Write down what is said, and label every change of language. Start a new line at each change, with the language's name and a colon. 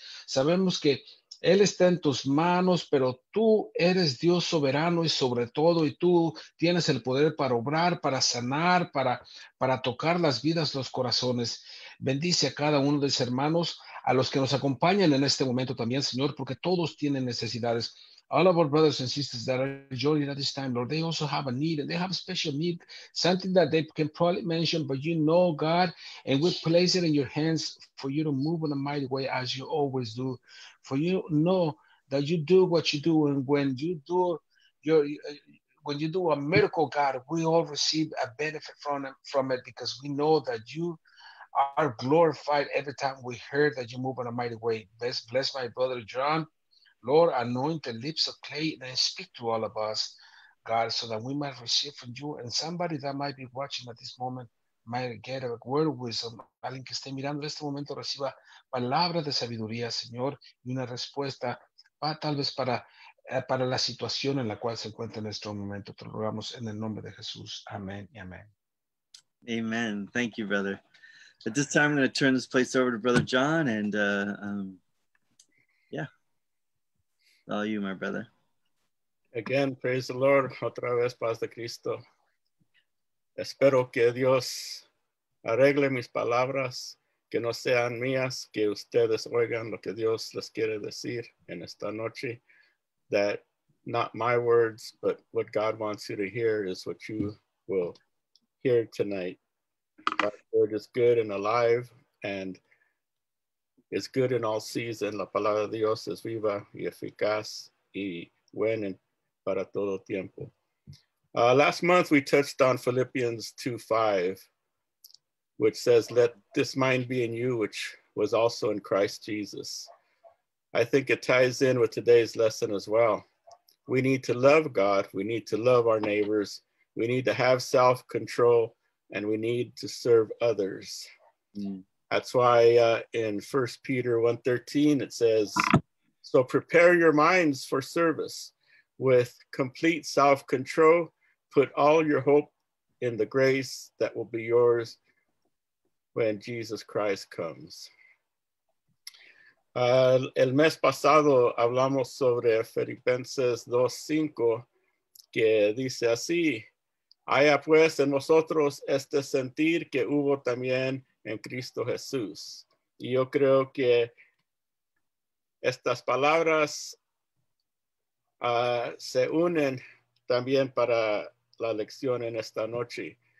Spanish: Sabemos que Él está en tus manos, pero tú eres Dios soberano y sobre todo, y tú tienes el poder para obrar, para sanar, para tocar las vidas, los corazones. Bendice a cada uno de mis hermanos, a los que nos acompañan en este momento también, Señor, porque todos tienen necesidades.
English: All of our brothers and sisters that are joining at this time, Lord, they also have a need, and they have a special need, something that they can probably mention, but you know, God, and we place it in your hands for you to move in a mighty way as you always do. For you know that you do what you do, and when you do a miracle, God, we all receive a benefit from it, because we know that you are glorified every time we hear that you move in a mighty way. Bless my brother John. Lord, anoint the lips of clay and speak to all of us, God, so that we might receive from you. And somebody that might be watching at this moment might get a word of wisdom.
Spanish: Alguien que esté mirando en este momento reciba palabra de sabiduría, Señor, y una respuesta tal vez para la situación en la cual se encuentra en este momento. Te rogamos en el nombre de Jesús. Amén y amén.
English: Amen. Thank you, brother. At this time, I'm going to turn this place over to Brother John and, all you, my brother. Again, praise the Lord.
Spanish: Otra vez, paz de Cristo. Espero que Dios arregle mis palabras, que no sean mías, que ustedes oigan lo que Dios les quiere decir en esta noche.
English: That not my words, but what God wants you to hear is what you will hear tonight. God's word is good and alive, and it's good in all season.
Spanish: La palabra de Dios es viva y eficaz y buena para todo tiempo.
English: Last month we touched on Philippians 2:5, which says, "Let this mind be in you, which was also in Christ Jesus." I think it ties in with today's lesson as well. We need to love God. We need to love our neighbors. We need to have self-control, and we need to serve others. That's why in 1 Peter 1:13 it says, "So prepare your minds for service with complete self-control. Put all your hope in the grace that will be yours when Jesus Christ comes."
Spanish: El mes pasado hablamos sobre Filipenses 2:5, que dice así, "Haya pues en vosotros este sentir que hubo también en Cristo Jesús." Y yo creo que estas palabras se unen también para la lección en esta noche.